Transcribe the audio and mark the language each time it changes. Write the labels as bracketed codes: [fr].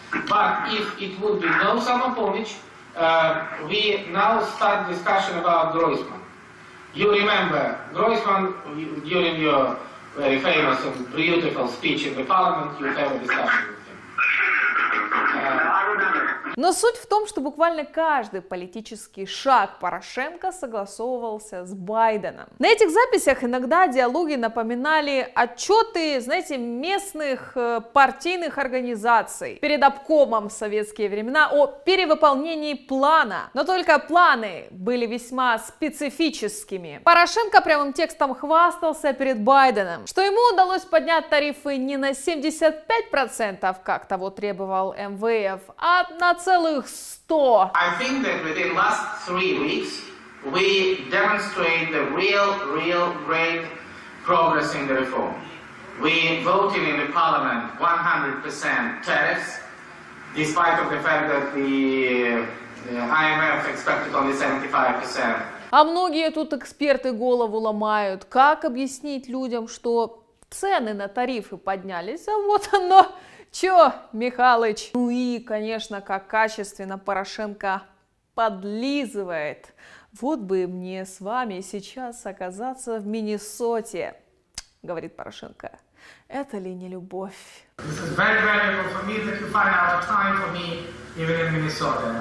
[en] But if it would be no Samopomich, we now start discussion about Gройсман. You remember Gройсман during your very famous and beautiful speech in the parliament, you have a discussion. [ru] Но суть в том, что буквально каждый политический шаг Порошенко согласовывался с Байденом. На этих записях иногда диалоги напоминали отчеты, знаете, местных партийных организаций перед обкомом в советские времена о перевыполнении плана. Но только планы были весьма специфическими. Порошенко прямым текстом хвастался перед Байденом, что ему удалось поднять тарифы не на 75%, как того требовал МВФ, а на целых 100. [en] I think that within last 3 weeks we demonstrate the real great progress in the reform. We voted in the parliament 100% tariffs, despite of the fact that the IMF expected only 75%. [ru] А многие тут эксперты голову ломают, как объяснить людям, что цены на тарифы поднялись, а вот оно. Чё, Михалыч? Ну и, конечно, как качественно Порошенко подлизывает. Вот бы мне с вами сейчас оказаться в Миннесоте, говорит Порошенко. Это ли не любовь? [en] This is very valuable for me that you find out of time for me even in Minnesota.